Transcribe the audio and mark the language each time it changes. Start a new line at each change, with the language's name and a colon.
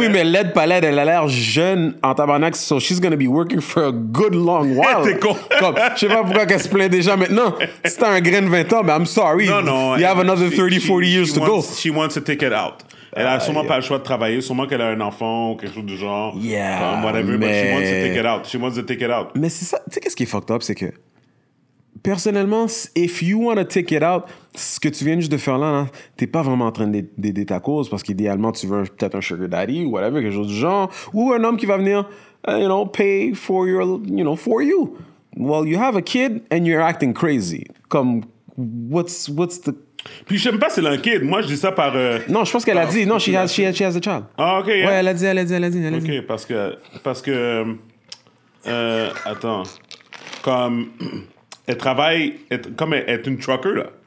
French: Oui, mais laide, pas laide. Elle a l'air jeune en tabarnak.
English: So she's gonna be working for a good long while.
French: T'es con. Comme, je sais pas pourquoi qu'elle se plaint déjà maintenant. Si t'as un grain de 20 ans, mais
English: I'm sorry.
French: Non.
English: You have another 30, 40 years to go. She wants to take it out.
French: Elle a sûrement pas le choix de travailler, sûrement qu'elle a un enfant ou quelque chose du genre.
English: Yeah. Whatever, but she wants to take it out.
French: Mais c'est ça, tu sais, qu'est-ce qui est fucked up, c'est que. personnellement,
English: if you want to take it out,
French: ce que tu viens juste de faire là, hein, t'es pas vraiment en train d'aider ta cause, parce qu'idéalement, tu veux peut-être un sugar daddy ou whatever, quelque chose du genre, ou un homme qui va venir,
English: you know, pay for your, you know, for you. Well, you have a kid and you're acting crazy. Comme, what's the...
French: Puis je sais pas si c'est un kid. Moi, je dis ça par... Non, je pense qu'elle a dit. Non,
English: she has a child. Ah, OK. Yeah.
French: Ouais, elle a dit. OK, parce que... attends. Comme... Elle travaille... Elle est une trucker, là.